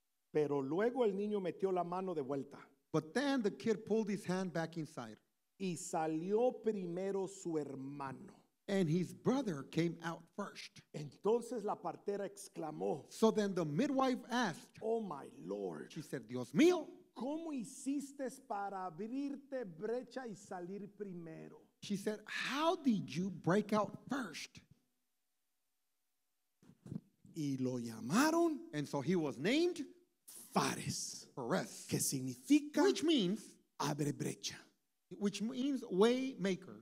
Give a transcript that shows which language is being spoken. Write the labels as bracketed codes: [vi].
[es] Pero luego el niño metió la mano de vuelta. [en] But then the kid pulled his hand back inside. [es] Y salió primero su hermano. [en] And his brother came out first. [es] Entonces la partera exclamó. [en] So then the midwife asked. Oh my Lord. She said, [es] Dios mío. ¿Cómo hiciste para abrirte brecha y salir primero? [en] She said, how did you break out first? [es] Y lo llamaron, [en] and so he was named [es] Fares, que significa, [en] which means [es] abre brecha, [en] which means way maker,